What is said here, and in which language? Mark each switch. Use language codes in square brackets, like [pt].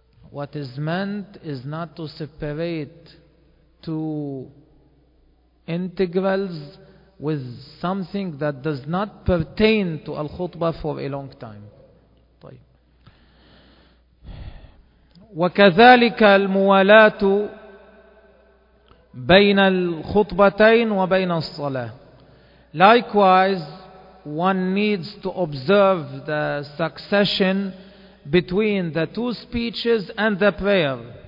[en] What is meant is not to separate two integrals with something that does not pertain to Al-Khutbah for a long time. [ar] وكذلك الموالاة بين الخطبتين وبين الصلاة. [en] Likewise, one needs to observe the succession between the two speeches and the prayer.